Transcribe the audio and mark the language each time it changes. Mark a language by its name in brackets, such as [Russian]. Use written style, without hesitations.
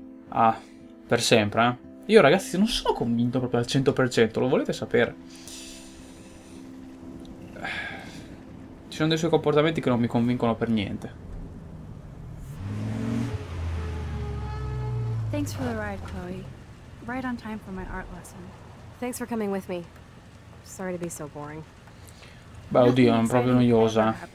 [Italian] Ah, per sempre, eh? Io, ragazzi, non sono convinto proprio al 100%, lo volete sapere? Ci sono dei suoi comportamenti che non mi convincono per niente. [English] Thanks for the ride, Chloe. Right on time for my art lesson. Thanks for coming with me. Sorry to be so boring. [Italian] Beh, oddio, è proprio noiosa.